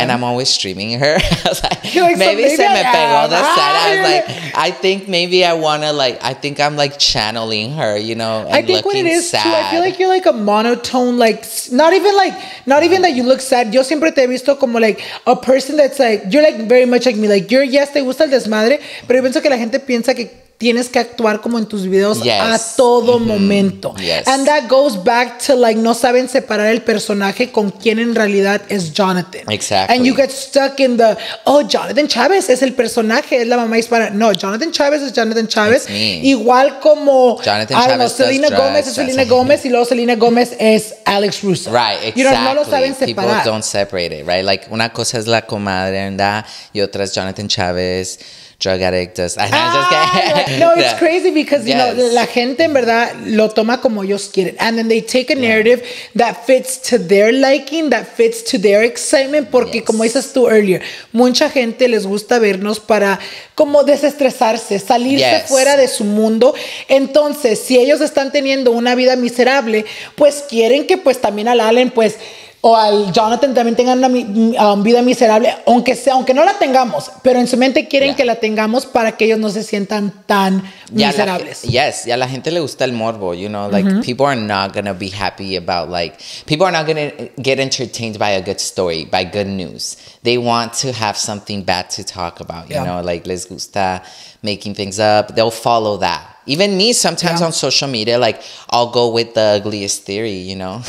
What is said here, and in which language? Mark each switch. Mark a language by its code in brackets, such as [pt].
[en] And I'm always streaming her. I think maybe I want to like, I think I'm like channeling her, you know, and looking sad. I think what it is sad. Too, I feel like you're like a monotone, not even that you look sad. [es] Yo siempre te he visto como [en] like a person that's like, you're like very much like me. Like you're, yes, [es] te gusta el desmadre, pero yo pienso que la gente piensa que tienes que actuar como en tus videos a todo momento. [en] Yes. And that goes back to like, [es] no saben separar el personaje con quien en realidad es Jonathan. [en] Exactly. And you get stuck in the, oh, Jonathan Chávez [es] es el personaje, es la mamá hispana. No, Jonathan Chávez es Jonathan Chávez. Igual como, Selena Gomez es Selena Gomez y luego Selena Gomez es Alex Russo. [en] Right, exactly. You [es] know, no lo saben separar. [en] People don't separate it, right? [es] Like, una cosa es la comadre anda y otra es Jonathan Chávez. [en] Drug addict does. It's crazy because, you know, [es] la gente en verdad lo toma como ellos quieren. [en] And then they take a narrative that fits to their liking, that fits to their excitement. [es] Porque como dices tú earlier, mucha gente les gusta vernos para como desestresarse, salirse fuera de su mundo. Entonces, si ellos están teniendo una vida miserable, pues quieren que pues también al Allen, pues... O al Jonathan también tengan una vida miserable, aunque sea, aunque no la tengamos, pero en su mente quieren que la tengamos para que ellos no se sientan tan miserables. Y a la gente le gusta el morbo, [en] you know, like people are not going to be happy about like, people are not going to get entertained by a good story, by good news. They want to have something bad to talk about, you know, like [es] les gusta [en] making things up. They'll follow that. Even me, sometimes on social media, like, I'll go with the ugliest theory, you know?